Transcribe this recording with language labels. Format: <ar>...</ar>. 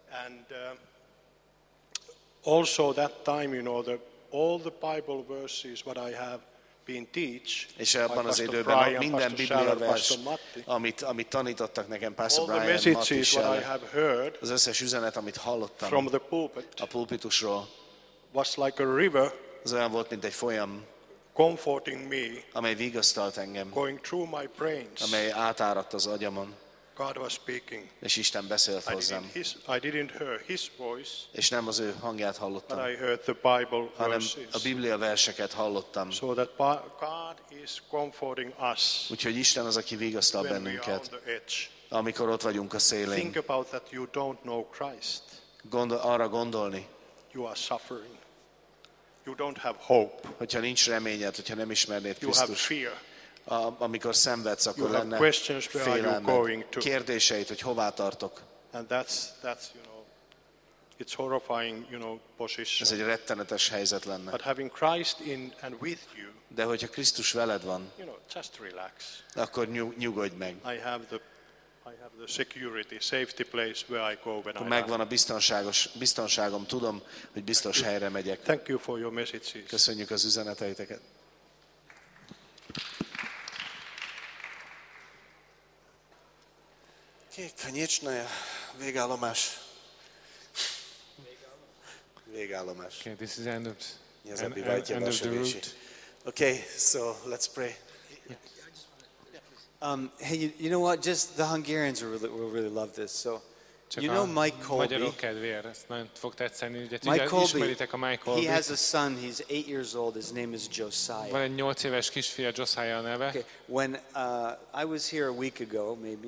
<en>And also that time, you know, all the Bible verses what I have been teach.</en> <hu>És abban az időben Brian, minden Biblia vers, amit tanítottak nekem Pastor Brian Mattissel, az összes üzenet, amit hallottam</hu> <en>from the pulpit,</en> <hu>a pulpitusról,</hu> <en>was like a river,</en> <hu>az olyan volt, mint egy folyam,</hu> <en>comforting me,</en> <hu>amely vigasztalt engem,</hu> <en>going through my brains,</en> <hu>amely átáradt az agyamon.</hu> <en>God was speaking.</en> <hu>És Isten beszélt hozzám.</hu> <en>I didn't hear his voice.</en> <hu>És nem az ő hangját hallottam.</hu> <en>But I heard the Bible verses.</en> <hu>Hanem a Biblia verseket hallottam.</hu> <en>So that God is comforting us.</en> <hu>Úgyhogy Isten az, aki vigasztal bennünket.</hu> <en>When we are on the edge.</en> <hu>Amikor ott vagyunk a szélén.</hu> <en>Think about that you don't know Christ.</en> <hu>Arra gondolni.</hu> <en>You are suffering. You don't have hope.</en> <hu>Hogyha nincs reményed, hogyha nem ismernéd</hu> <en>Krisztust. You have fear.</en> <hu>Amikor szenvedsz, akkor</hu> <en>you have</en> <hu>lenne félelmed, kérdéseid, hogy hová tartok.</hu> <en>And that's, you know, it's horrifying, you know, position.</en> <hu>Ez egy rettenetes helyzet lenne.</hu> <en>But having Christ in and with you,</en> <hu>de hogyha Krisztus veled van,</hu> <en>you know, just relax.</en> <hu>Akkor nyugodj meg.</hu> <en>I have the security, safety place where I go when</en> <hu>akkor megvan a biztonságom, tudom, hogy biztos helyre megyek.</hu> <en>Thank you for your messages.</en> <hu>Köszönjük az üzeneteiteket. Oké, konyecsna végállomás. Végállomás.</hu> <en>Okay, this is end of the route. Okay, so let's pray. Yes. Hey, you know what? Just the Hungarians will really love this. So, you know Mike Colby?</en> <hu>Magyarok kedvére, ezt nagyon fog tetszeni. Ismeritek a Mike Colby?</hu> <en>He has a son, he's 8 years old, his name is Josiah.</en> <hu>Van egy 8 éves kisfia, Josiah a neve.</hu> <en>Okay. When I was here a week ago, maybe.</en>